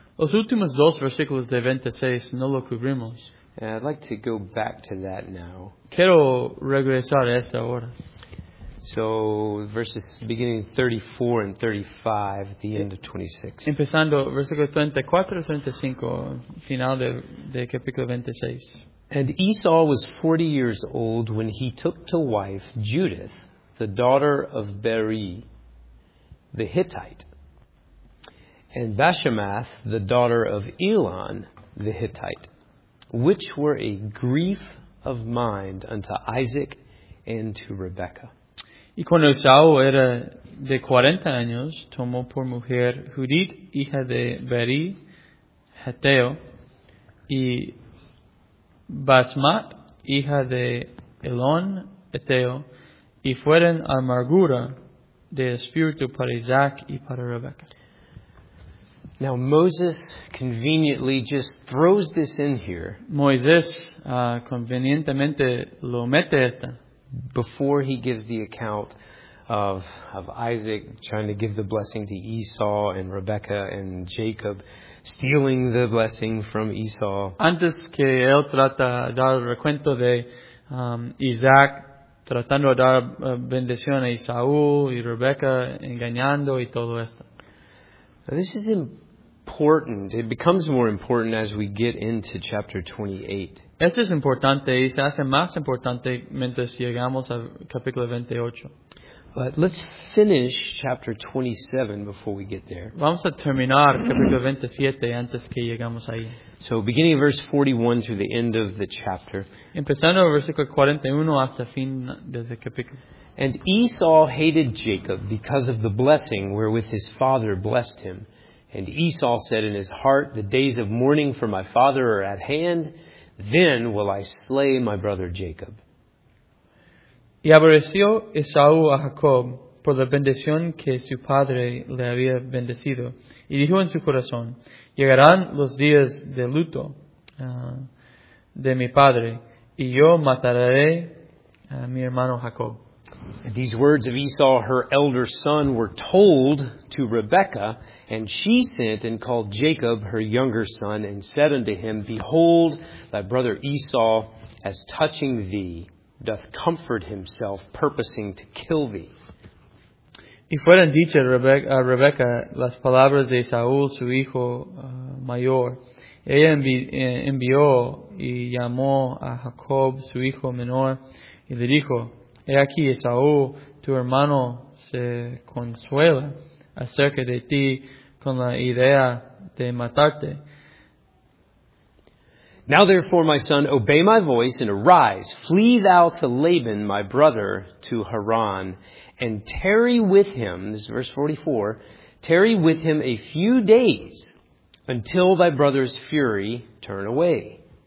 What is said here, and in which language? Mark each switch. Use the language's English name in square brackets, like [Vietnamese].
[Spanish] Los últimos dos versículos de 26 no lo cubrimos. [English] And I'd like to go back to that now. [Spanish] Quiero regresar a esta hora. [English] So, verses beginning 34 and 35, the end of 26. [Spanish] Empezando versículo 34 y 35, final de capítulo 26. [English] And Esau was 40 years old when he took to wife Judith, the daughter of Beeri, the Hittite, and Bashemath, the daughter of Elon, the Hittite, which were a grief of mind unto Isaac and to Rebekah. [Spanish] Y cuando Esau era de 40 años, tomó por mujer Judith, hija de Beeri, Heteo, y Basmat, hija de Elón, Heteo, y fueron amargura de espíritu para Isaac y para Rebekah. [English] Now Moses conveniently just throws this in here. [Spanish] Moisés convenientemente lo mete esta. [English] Before he gives the account of Isaac trying to give the blessing to Esau and Rebekah and Jacob stealing the blessing from Esau. [Spanish] Antes que él trata de dar el recuento de Isaac tratando de dar bendición a Esaú y Rebekah engañando y todo esto. [English] Now, this is important. It becomes more important as we get into chapter 28. [Spanish] Esto es importante y se hace más importante mientras llegamos al capítulo 28. [English] But let's finish chapter 27 before we get there. [Spanish] Vamos a terminar capítulo 27 antes que llegamos ahí. [English] So beginning of verse 41 through the end of the chapter. [Spanish] Empezando el versículo 41 hasta fin del capítulo. [English] And Esau hated Jacob because of the blessing wherewith his father blessed him. And Esau said in his heart, the days of mourning for my father are at hand, then will I slay my brother Jacob. [Spanish] Y aborreció Esaú a Jacob por la bendición que su padre le había bendecido. Y dijo en su corazón, llegarán los días de luto de mi padre, y yo mataré a mi hermano Jacob. [English] And these words of Esau, her elder son, were told to Rebekah, and she sent and called Jacob, her younger son, and said unto him, behold, thy brother Esau, as touching thee, doth comfort himself, purposing to kill thee. [Spanish] Y fueron dichas a Rebekah las palabras de Saúl, su hijo mayor. Ella envió y llamó a Jacob, su hijo menor, y le dijo, he aquí, Esaú, tu hermano se consuela acerca de ti con la idea de matarte. [English] Now therefore, my son, obey my voice and arise. Flee thou to Laban, my brother, to Haran, and tarry with him, this is verse 44, tarry with him a few days until thy brother's fury turn away.